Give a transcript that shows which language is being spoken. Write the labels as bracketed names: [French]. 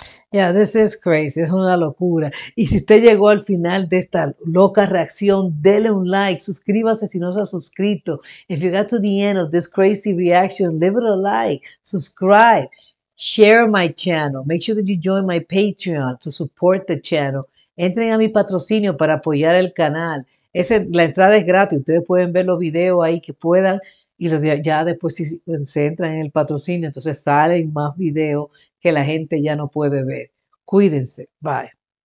[English] Yeah, this is crazy, [Spanish] es una locura. Y si usted llegó al final de esta loca reacción, dele un like, suscríbase si no se ha suscrito. [English] If you got to the end of this crazy reaction, leave it a like, subscribe, share my channel, make sure that you join my Patreon to support the channel. [Spanish] Entren a mi patrocinio para apoyar el canal. Ese, la entrada es gratis, ustedes pueden ver los videos ahí que puedan. Y ya después si se entran en el patrocinio, entonces salen más videos que la gente ya no puede ver. Cuídense. Bye.